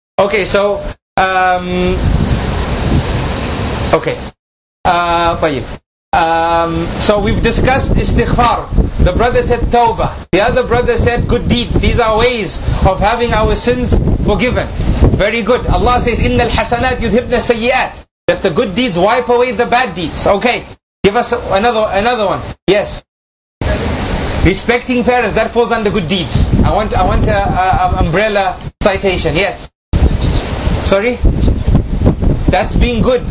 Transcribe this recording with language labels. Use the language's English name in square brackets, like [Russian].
[English] Okay, so... So we've discussed istighfar. The brother said tawbah. The other brother said good deeds. These are ways of having our sins forgiven. Very good. Allah says, [Arabic] إِنَّ الْحَسَنَاتِ يُذْهِبْنَ السَّيِّئَاتِ. [English] That the good deeds wipe away the bad deeds. Okay. Give us another one. Yes. Respecting parents, that falls under good deeds. I want an umbrella citation. Yes. Sorry? That's being good.